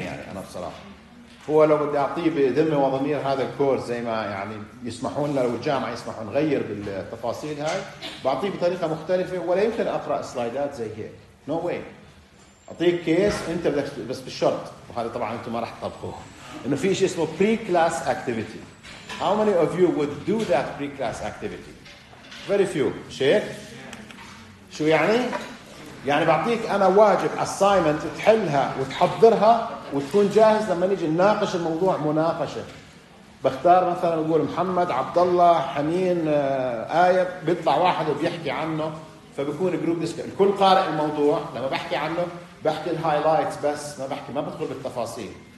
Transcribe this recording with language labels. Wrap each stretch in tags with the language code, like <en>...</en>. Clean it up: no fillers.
<ar>يعني انا بصراحه هو لو بدي اعطيه بذمه وضمير هذا الكورس زي ما يعني يسمحون لنا والجامعه يسمحون نغير بالتفاصيل هاي بعطيه بطريقه مختلفه ولا يمكن اقرا سلايدات زي هيك</ar> <en>No way.</en> <ar>أعطيك كيس أنت بدك بس بالشرط وهذا طبعاً أنتم ما راح تطبقوه إنه في شيء اسمه pre-class activity.</ar> <en>How many of you would do that pre-class activity? Very few.</en> <ar>شيك شو يعني؟ يعني بعطيك أنا واجب assignment تحلها وتحضرها وتكون جاهز لما نيجي نناقش الموضوع مناقشة. بختار مثلاً أقول محمد عبد الله حنين آية بيطلع واحد وبيحكي عنه فبكون جروب discussion الكل قارئ الموضوع لما بحكي عنه بحكي الهايلايتس بس ما بدخل بالتفاصيل.</ar>